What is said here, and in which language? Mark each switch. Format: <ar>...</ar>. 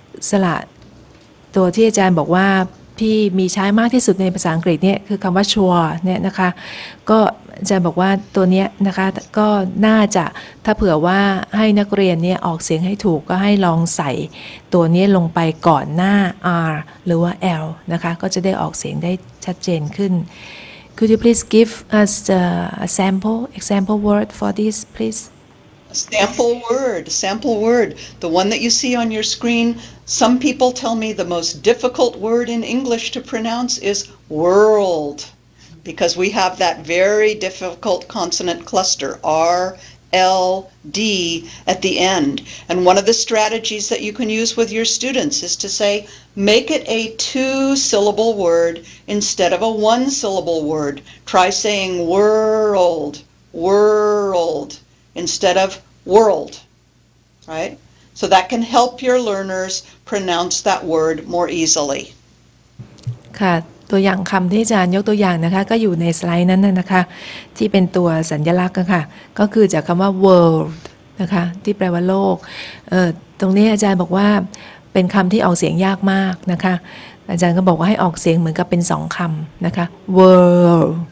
<th>สระตัวที่อาจารย์บอกว่าที่มีใช้มากที่สุดในภาษาอังกฤษเนี่ยคือคำว่า sure เนี่ยนะคะก็อาจารย์บอกว่าตัวเนี้ยนะคะก็น่าจะถ้าเผื่อว่าให้นักเรียนเนี่ยออกเสียงให้ถูกก็ให้ลองใส่ตัวเนี้ยลงไปก่อนหน้า r หรือว่า l นะคะก็จะได้ออกเสียงได้ชัดเจนขึ้น</th> <en>Could you please give us a sample word for this please Sample word, the one that you see on your screen. Some people tell me the most difficult word in English to pronounce is world, because we have that very difficult consonant cluster, R, L, D, at the end. And one of the strategies that you can use with your students is to say, make it a two-syllable word instead of a one-syllable word. Try saying world, world, instead of world, right? So that can help your learners pronounce that word more easily.</en> <th>ค่ะตัวอย่างคำที่อาจารย์ยกตัวอย่างนะคะก็อยู่ในสไลด์นั้นนะคะที่เป็นตัวสัญลักษณ์ค่ะก็คือจากคำว่า world นะคะที่แปลว่าโลกตรงนี้อาจารย์บอกว่าเป็นคำที่ออกเสียงยากมากนะคะอาจารย์ก็บอกว่าให้ออกเสียงเหมือนกับเป็นสองคำนะคะ world</th>